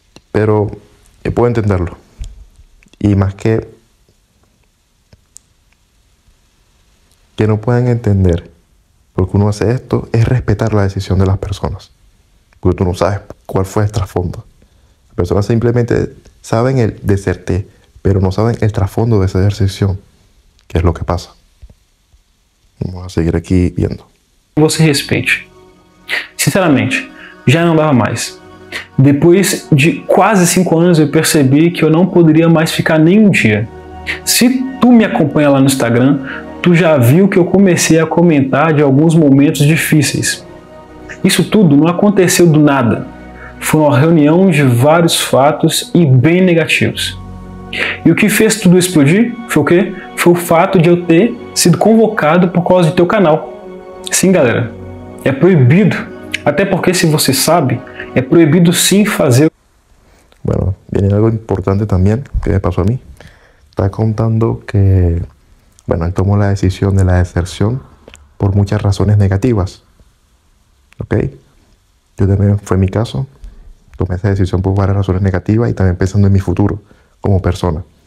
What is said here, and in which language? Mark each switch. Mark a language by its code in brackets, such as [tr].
[es] Pero puedo entenderlo. Y más que no puedan entender, porque uno hace esto, es respetar la decisión de las personas. Porque tú no sabes cuál fue el trasfondo. Las personas simplemente saben el deserté, pero no saben el trasfondo de esa decisión, que es lo que pasa. Vamos a seguir aquí viendo. [pt] Você respeite. Sinceramente, já não dava mais. Depois de quase 5 anos, eu percebi que eu não poderia mais ficar nem um dia. Se tu me acompanha lá no Instagram, tu já viu que eu comecei a comentar de alguns momentos difíceis. Isso tudo não aconteceu do nada. Foi uma reunião de vários fatos e bem negativos. E o que fez tudo explodir foi o quê? Foi o fato de eu ter sido convocado por causa do teu canal. Sim, galera, é proibido. Até porque, se você sabe, é proibido sim fazer. [es] Bueno, viene algo importante también que me pasó a mí. Está contando que, bueno, él tomó la decisión de la deserción por muchas razones negativas. ¿Ok? Yo también, fue mi caso. Tomé esa decisión por varias razones negativas y también pensando en mi futuro como persona.